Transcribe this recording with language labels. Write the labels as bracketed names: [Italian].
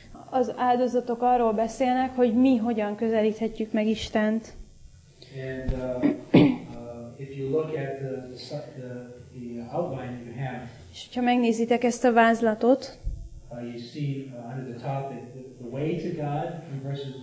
[Hungarian] Az áldozatok arról beszélnek, hogy mi hogyan közelíthetjük meg Istent. [English] And if you look at the outline you have. [Hungarian] És hogyha megnézitek ezt a vázlatot. [English] You see under the top the way to God in verses.